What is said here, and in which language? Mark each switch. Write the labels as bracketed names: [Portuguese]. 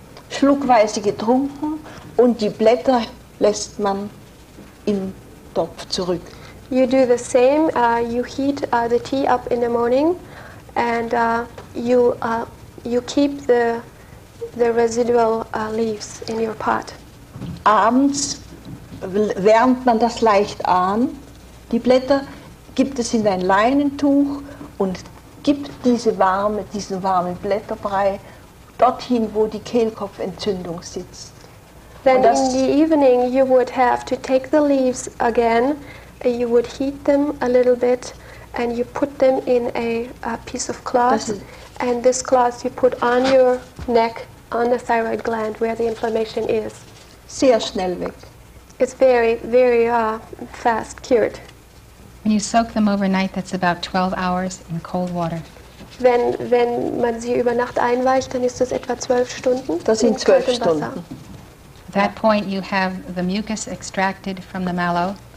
[German] Schluckweise getrunken und die Blätter lässt man im Topf zurück. [English] You do the same, you heat the tea up in the morning and you keep the residual leaves in your pot. [German] Abends wärmt man das leicht an. Die Blätter gibt es in ein Leinentuch und gibt diesen warmen Blätterbrei dorthin, wo die Kehlkopfentzündung sitzt. [English] Then in the evening you would have to take the leaves again, you would heat them a little bit and you put them in a piece of cloth, and this cloth you put on your neck, on the thyroid gland where the inflammation is. [German] Sehr schnell weg. [English] It's very, very fast cured. When you soak them overnight, that's about 12 hours in cold water. [German] Wenn man sie über Nacht einweicht, dann ist das etwa 12 Stunden. Das sind 12 Stunden. [English] At that point, you have the mucus extracted from the mallow.